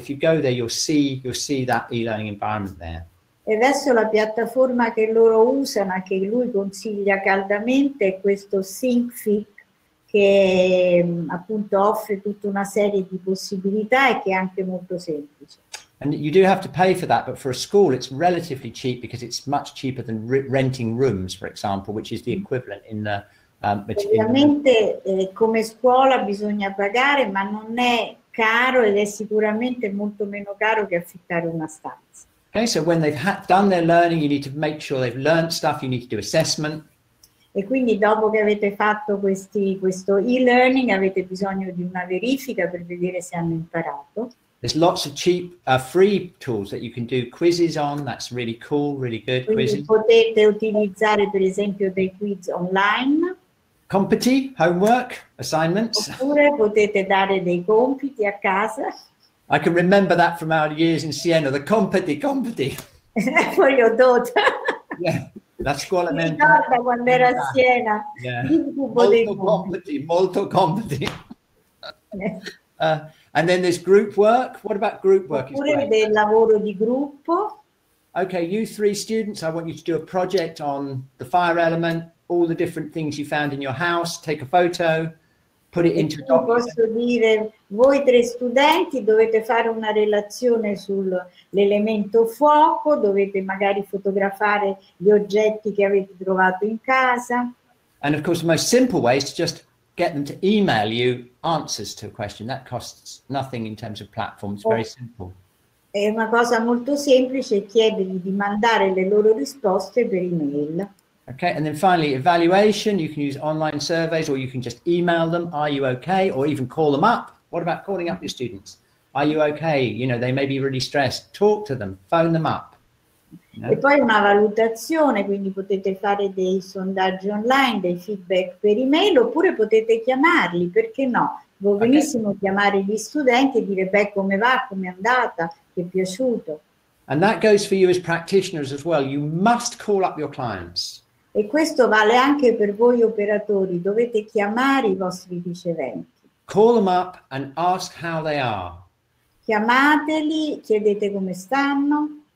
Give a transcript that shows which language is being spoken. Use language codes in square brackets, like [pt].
[en] If you go there, you'll see that e-learning environment there. [it] E adesso la piattaforma che loro usano, che lui consiglia caldamente, è questo Thinkific, che appunto offre tutta una serie di possibilità e che è anche molto semplice. [en] And you do have to pay for that, but for a school it's relatively cheap because it's much cheaper than renting rooms, for example, which is the equivalent in the [it] Ovviamente come scuola bisogna pagare, ma non è caro ed è sicuramente molto meno caro che affittare una stanza. [en] Okay, so when they've done their learning, you need to make sure they've learned stuff, you need to do assessment. [it] E quindi dopo che avete fatto questo e-learning, avete bisogno di una verifica per vedere se hanno imparato. [en] There's lots of cheap free tools that you can do quizzes on. That's really cool, really good [it] quizzes. Potete utilizzare per esempio dei quiz online. [en] Compiti, homework, assignments. [it] Oppure potete dare dei compiti a casa. [en] I can remember that from our years in Siena, the compiti, compiti. [it] Poi ho dota. La scuola mi ricorda quando era a Siena. [en] Yeah. [it] Molto compiti, molto compiti. [en] And then there's group work. What about group work? [it] Oppure del lavoro di gruppo. [en] Okay, you three students, I want you to do a project on the fire element, all the different things you found in your house, take a photo, put it into a document. [it] Posso dire, voi tre studenti dovete fare una relazione sull'elemento fuoco, dovete magari fotografare gli oggetti che avete trovato in casa. [en] And of course, the most simple way is to just get them to email you answers to a question. That costs nothing in terms of platforms, very simple. [it] È una cosa molto semplice, chiedergli di mandare le loro risposte per email. [en] Okay, and then finally, evaluation. You can use online surveys or you can just email them. Are you okay? Or even call them up. What about calling up your students? Are you okay? You know, they may be really stressed. Talk to them, phone them up. You know? [it] E poi una valutazione, quindi potete fare dei sondaggi online, dei feedback per email, oppure potete chiamarli, perché no? Va benissimo chiamare gli studenti e dire, beh, come va, come è andata, ti è piaciuto. [en] And that goes for you as practitioners as well. You must call up your clients. [it] E questo vale anche per voi operatori. Dovete chiamare i vostri riceventi. [en] Call them up and ask how they are. [it] Chiamateli, chiedete come stanno.